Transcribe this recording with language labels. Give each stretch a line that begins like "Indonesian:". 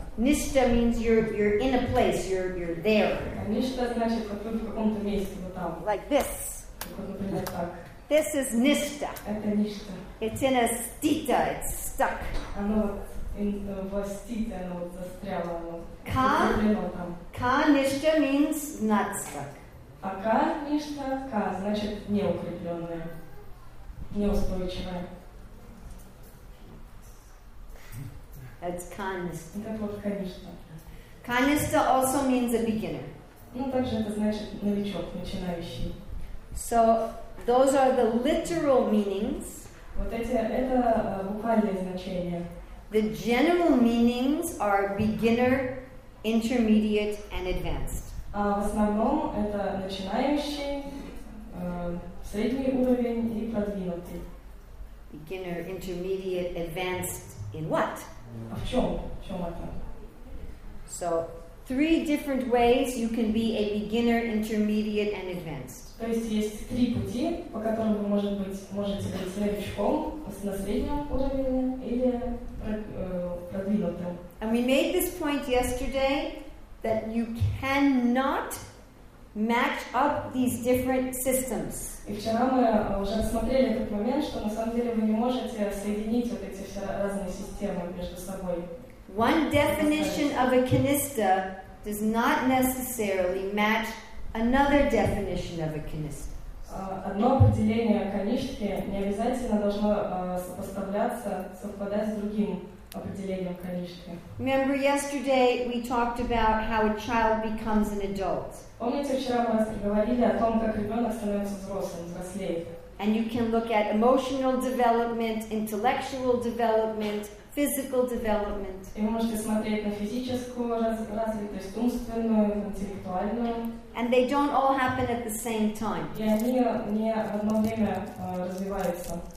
English: Nishta means you're in a place, you're there.
Russian: Nishta значит вот тут в каком-то месте, вот там.
English: Like this. This is nista.
Russian: Это ништа.
English: It's in a stita, it's stuck.
Russian: Оно
English: in the stita,
Russian: оно застряло.
English: Ka nishta means not stuck.
Russian: А ka nishta, ka значит неукрепленное, неустойчивое.
English: That's ka nishta.
Russian: Это вот ka nishta.
English: Ka nishta also means a beginner.
Russian: Ну, также это значит новичок, начинающий.
English: So, those are the literal meanings.
Russian: Вот это буквальное значение.
English: The general meanings are beginner, intermediate, and advanced.
Russian: В основном это начинающий, средний уровень и продвинутый.
English: Beginner, intermediate, advanced in what?
Russian: А в чем это?
English: So, three different ways you can be a beginner, intermediate, and advanced.
Russian: То есть есть три пути, по которым вы можете быть новичком, на среднем уровне или продвинутым.
English: And we made this point yesterday that you cannot match up these different systems.
Russian: И вчера мы уже рассмотрели этот момент, что на самом деле вы не можете соединить вот эти все разные системы между собой.
English: One definition of a Kanista does not necessarily match another definition of a kinesthete.
Russian: Одно определение конишки не обязательно должно сопоставляться, совпадать с другим определением конишки.
English: Remember yesterday we talked about how a child becomes an adult.
Russian: Помните, вчера мы говорили о том, как ребенок становится взрослым, взрослеет.
English: And you can look at emotional development, intellectual development, physical development.
Russian: И вы можете смотреть на физическую развитость, умственную, интеллектуальную.
English: And they don't all happen at the same time.
Russian: И они не в одно время развиваются.